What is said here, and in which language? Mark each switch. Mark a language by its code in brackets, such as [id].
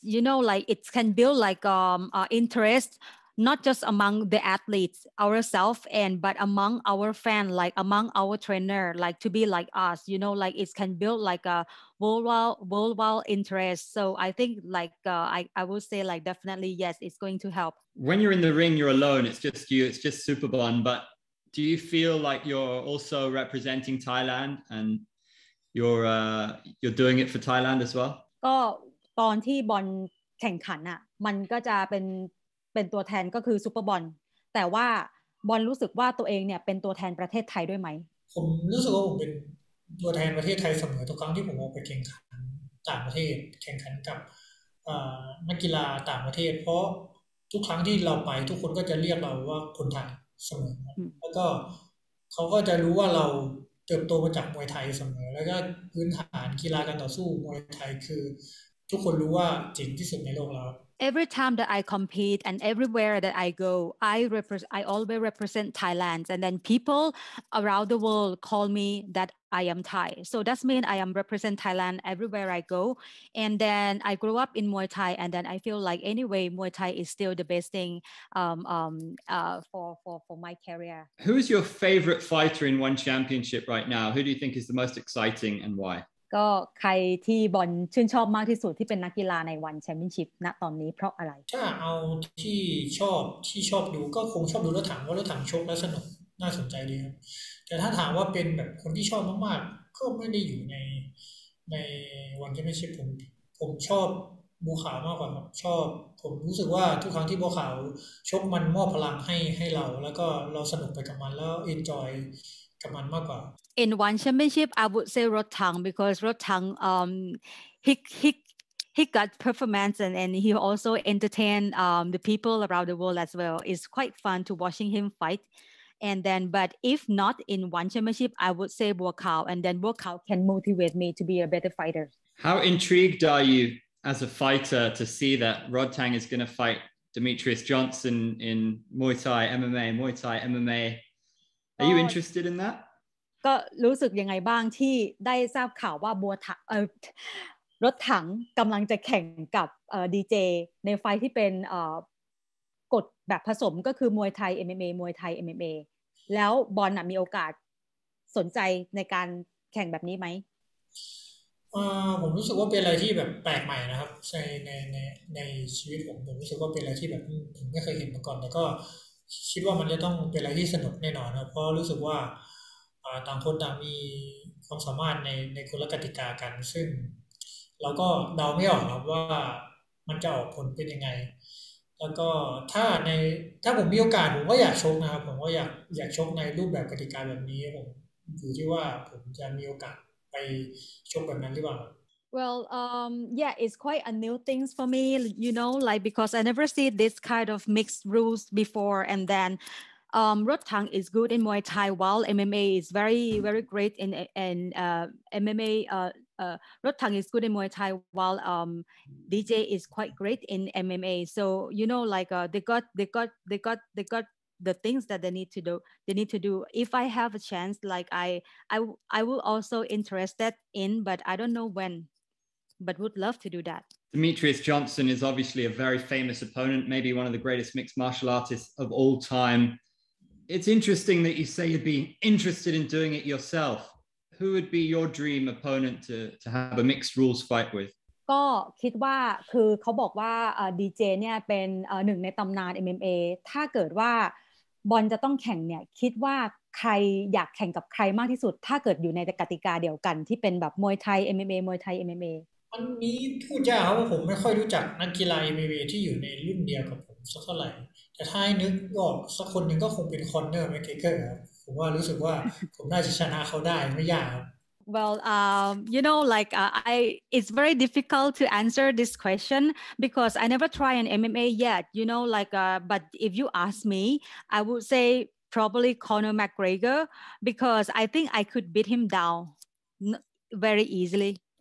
[en] You know, like it can build like interest, not just among the athletes ourselves and but among our fan, like among our trainer, like to be like us, you know, like it can build like a worldwide interest. So I think like I would say like definitely, yes, it's going to help. When you're in the ring, you're alone. It's just you. It's just Superbon. But do you feel like you're also representing Thailand andyou're doing it for Thailand as well [th] ก็ตอนที่บอลแข่งขันน่ะมันก็จะเป็นตัวแทนก็คือซุปเปอร์บอลแต่ว่าบอลรู้สึกว่าตัวเองเนี่ยเป็นตัวแทนประเทศไทยด้วยไหม ผมรู้สึกว่าผมเป็นตัวแทนประเทศไทยเสมอทุกครั้งที่ผมออกไปแข่งขันต่างประเทศแข่งขันกับนักกีฬาต่างประเทศเพราะทุกครั้งที่เราไปทุกคนก็จะเรียกเราว่าคนไทยเสมอแล้วก็เขาก็จะรู้ว่าเราเติบโตมาจากมวยไทยเสมอแล้วก็พื้นฐานกีฬาการต่อสู้มวยไทยคือทุกคนรู้ว่าเจ๋งที่สุดในโลกแล้ว [en] Every time that I compete and everywhere that I go I always represent Thailand and then people around the world call me that I am Thai so that's mean I am represent Thailand everywhere I go and then I grew up in Muay Thai and then I feel like anyway Muay Thai is still the best thing for my career Who is your favorite fighter in ONE Championship right now who do you think is the most exciting and why [th] ก็ใครที่บอลชื่นชอบมากที่สุดที่เป็นนักกีฬาในวันแชมเปี้ยนชิพณตอนนี้เพราะอะไร ถ้าเอาที่ชอบดูก็คงชอบดูรถถังว่ารถถังชกแล้วสนุกน่าสนใจดีครับแต่ถ้าถามว่าเป็นแบบคนที่ชอบมากๆก็ไม่ได้อยู่ในวันแชมเปี้ยนชิพผมชอบบัวขาวมากกว่าชอบผมรู้สึกว่าทุกครั้งที่บัวขาวชกมันมอบพลังให้เราแล้วก็เราสนุกไปกับมันแล้วเอนจอยกับมันมากกว่า [en] In ONE Championship I would say Rod Tang because Rod Tang he got performance and he also entertain the people around the world as well it's quite fun to watching him fight and then but if not in ONE Championship I would say Bo Khao and then Bo Khao can motivate me to be a better fighter How intrigued are you as a fighter to see that Rod Tang is going to fight Demetrius Johnson in Muay Thai MMA Are you interested in that? [th] ก็รู้สึกยังไงบ้างที่ได้ทราบข่าวว่าบัวถังรถถังกำลังจะแข่งกับดีเจในไฟที่เป็นกฎแบบผสมก็คือมวยไทย MMA มวยไทย MMA แล้วบอลมีโอกาสสนใจในการแข่งแบบนี้ไหม ผมรู้สึกว่าเป็นอะไรที่แบบแปลกใหม่นะครับในชีวิตผมรู้สึกว่าเป็นอะไรที่แบบผมไม่เคยเห็นมาก่อนแล้วก็คิดว่ามันจะต้องเป็นอะไรที่สนุกแน่นอนนะเพราะรู้สึกว่าต่างคนต่างมีความสามารถในคนละกติกากันซึ่งเราก็เดาไม่ออกครับว่ามันจะออกผลเป็นยังไงแล้วก็ ถ้าผมมีโอกาสผมก็อยากชกนะครับผมก็อยากชกในรูปแบบกติกาแบบนี้ผมอยู่ที่ว่าผมจะมีโอกาสไปชกแบบนั้นหรือเปล่า [en] Well yeah it's quite a new things for me you know like because I never see this kind of mixed rules before and thenRotang is good in Muay Thai while MMA is very very great in MMA Rotang is good in Muay Thai while DJ is quite great in MMA so you know like they got the things that they need to do if I have a chance like I will also interested in but I don't know when but would love to do that Demetrius Johnson is obviously a very famous opponent maybe one of the greatest mixed martial artists of all timeIt's interesting that you say you'd be interested in doing it yourself. Who would be your dream opponent to have a mixed rules fight with? [th] ก็คิดว่าคือเขาบอกว่าดีเจเนี่ยเป็นหนึ่งในตำนาน MMA ถ้าเกิดว่าบอลจะต้องแข่งเนี่ยคิดว่าใครอยากแข่งกับใครมากที่สุดถ้าเกิดอยู่ในกติกาเดียวกันที่เป็นแบบมวยไทย MMA มวยไทย MMA อันนี้พูดยากครับผมไม่ค่อยรู้จักนักกีฬา MMA ที่อยู่ในรุ่นเดียวกับผมสักเท่าไหร่แต่ถ้าให้นึกออกสักคนหนึ่งก็คงเป็นคอนเนอร์แมคเกเกอร์ครับผมว่ารู้สึกว่าผมน่าจะชนะเขาได้ไม่ยากครับ [en] Well you know like it's very difficult to answer this question because I never try an MMA yet you know like but if you ask me I would say probably Conor McGregor because I think I could beat him down very easily